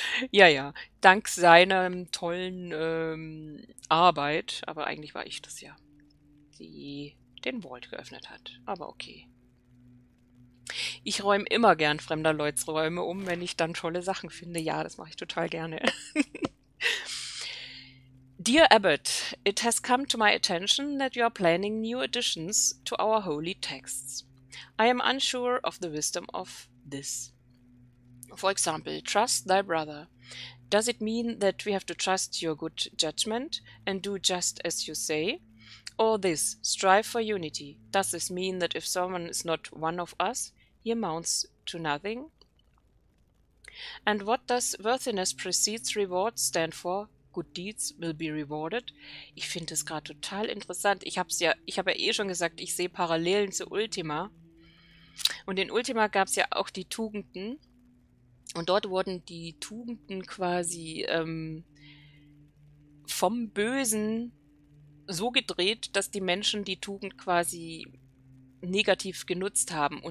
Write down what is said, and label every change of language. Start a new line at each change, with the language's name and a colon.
German: Ja. Dank seiner tollen Arbeit. Aber eigentlich war ich das ja, die den Vault geöffnet hat. Aber okay. Ich räume immer gern fremder Leuts Räume um, wenn ich dann tolle Sachen finde. Ja, das mache ich total gerne.
English: Dear Abbot, it has come to my attention that you are planning new additions to our holy texts. I am unsure of the wisdom of this. For example, trust thy brother. Does it mean that we have to trust your good judgment and do just as you say? Or this, strive for unity. Does this mean that if someone is not one of us, he amounts to nothing? And what does worthiness precedes reward stand for? Good deeds will be rewarded.
German: Ich finde es gerade total interessant. Ich habe ja eh schon gesagt, ich sehe Parallelen zu Ultima. Und in Ultima gab es ja auch die Tugenden. Und dort wurden die Tugenden quasi vom Bösen so gedreht, dass die Menschen die Tugend quasi negativ genutzt haben.